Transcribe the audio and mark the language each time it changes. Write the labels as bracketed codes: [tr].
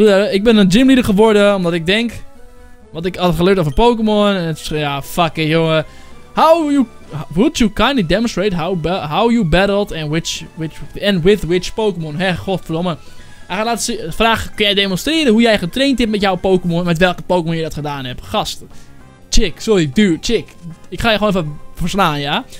[nl] Ik ben een gymleader geworden omdat ik denk... Wat ik had geleerd over Pokémon. En het is, ja, fuck it, jongen. [en] Would you kindly demonstrate how you battled and with which Pokémon? [nl] Hé, godverdomme. Hij gaat laten vragen, kun jij demonstreren hoe jij getraind hebt met jouw Pokémon? Met welke Pokémon je dat gedaan hebt? Gast. [en] Chick, sorry, dude, chick. [nl] Ik ga je gewoon even verslaan, ja?